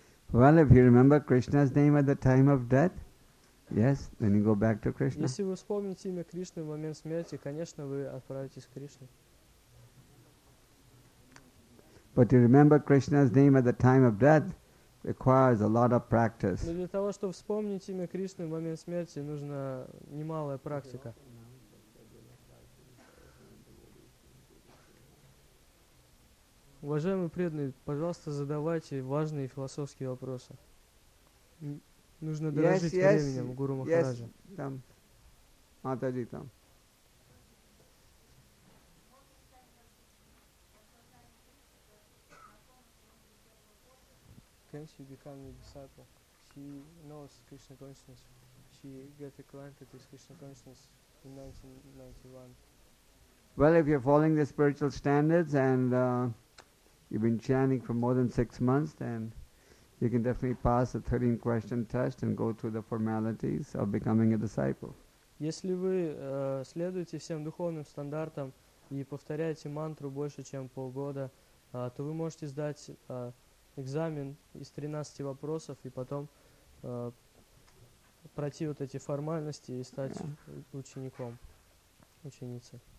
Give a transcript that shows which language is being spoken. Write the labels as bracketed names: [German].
[English] Well, if you remember Krishna's name at the time of death, yes, then you go back to Krishna. [Russian] Если вы вспомните имя Кришны в момент смерти, конечно, вы отправитесь к Кришне. [English] But to remember Krishna's name at the time of death requires a lot of practice. [Russian] Но для того, чтобы вспомнить имя Кришны в момент смерти, нужна немалая практика. Уважаемые преданные, пожалуйста, задавайте важные философские вопросы. Нужно дорожить временем Гуру Махараджа. Yes, там. Матаджи там. [English] Can she become a disciple? She knows Krishna consciousness. She gets acquainted with Krishna consciousness in 1991. Well, if you're following the spiritual standards and you've been chanting for more than 6 months, then you can definitely pass the 13 question test and go through the formalities of becoming a disciple. [Russian] Если вы следуете всем духовным стандартам и повторяете мантру больше чем полгода, то вы можете сдать экзамен из 13 вопросов и потом пройти вот эти формальности и стать учеником, ученицей.